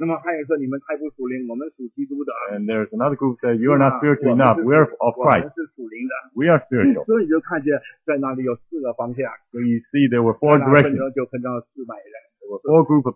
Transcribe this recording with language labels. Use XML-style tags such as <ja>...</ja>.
<zh>那么还有说你们太不属灵, 我们属基督的。</zh> <en>And there's another group that you are not spiritual enough. We are of Christ.</en> <zh>我们是属灵的。</zh> <en>We are spiritual.</en> <zh>所以你就看见在那里有四个方向。</zh> <en>So you see there were four directions. There were four groups of</en>